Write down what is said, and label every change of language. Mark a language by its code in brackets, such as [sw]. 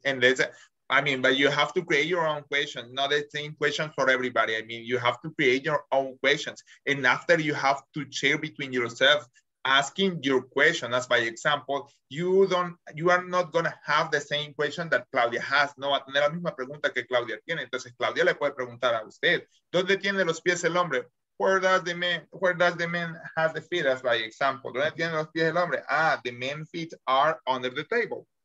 [en] And there's a I mean, but you have to create your own questions, not the same questions for everybody. I mean, you have to create your own questions. And after you have to share between yourself, asking your question, as by example, you are not going to have the same question that Claudia has. [es] No va a tener la misma pregunta que Claudia tiene. Entonces, Claudia le puede preguntar a usted, ¿dónde tiene los pies el hombre? [en] Where does the man have the feet, as by example? [es] ¿Dónde tiene los pies el hombre? [en] Ah, the man's feet are under the table.